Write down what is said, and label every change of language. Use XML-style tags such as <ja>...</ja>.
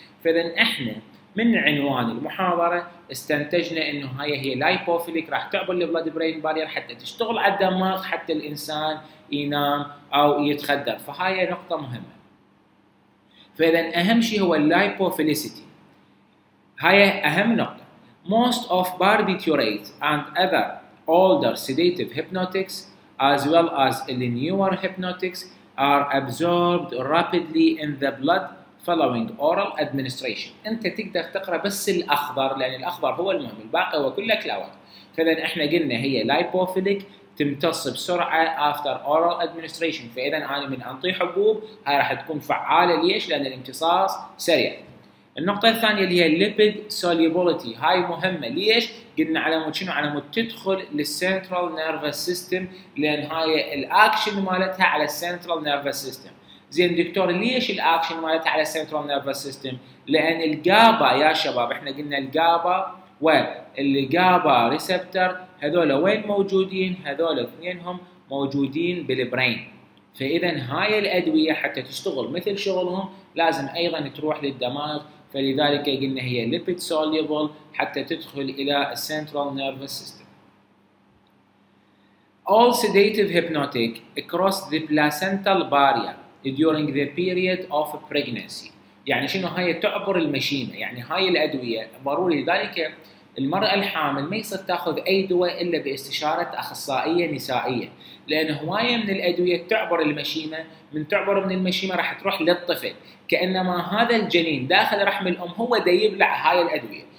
<ar>فاذا احنا من عنوان المحاضره استنتجنا انه هاي هي لايبوفيليك راح تعبر البلد برين بارير حتى تشتغل على الدماغ حتى الانسان ينام او يتخدر. فهاي نقطه مهمه. فاذا اهم شيء هو اللايبوفيليسيتي، هاي اهم نقطه.</ar> <en>Most of barbiturates and other older sedative hypnotics as well as the newer hypnotics are absorbed rapidly in the blood following oral administration.</en> <ar>انت تقدر تقرا بس الاخضر لان الاخضر هو المهم، الباقي هو كله كلاوات. فاذا احنا قلنا هي</ar> <en>lipophilic،</en> <ar>تمتص بسرعه</ar> <en>after oral administration.</en> <ar>فاذا انا من انطي حبوب هاي راح تكون فعاله، ليش؟ لان الامتصاص سريع. النقطة الثانية اللي هي lipid solubility، هاي مهمة. ليش؟ قلنا على مود شنو؟ على مود تدخل للcentral nervous system، لأن هاي الأكشن مالتها على الcentral nervous system. زين دكتور ليش الأكشن مالتها على الcentral nervous system؟ لأن الجابا يا شباب، احنا قلنا الجابا والجابا ريسبتر هذول وين موجودين؟ هذول اثنينهم موجودين بالبرين. فإذا هاي الأدوية حتى تشتغل مثل شغلهم لازم أيضا تروح للدماغ، فلذلك قلنا هي lipid soluble حتى تدخل إلى central nervous system.</ar> <en>All sedative hypnotic across the placental barrier during the period of pregnancy.</en> <ar>يعني شنو هاي؟ تعبر المشيمة، يعني هاي الأدوية ضروري، لذلك المرأة الحامل ما يصير تاخذ أي دواء إلا باستشارة أخصائية نسائية، لأن هواية من الأدوية تعبر المشيمة، من تعبر من المشيمة راح تروح للطفل، كأنما هذا الجنين داخل رحم الأم هو دا يبلع هاي الأدوية.</ar>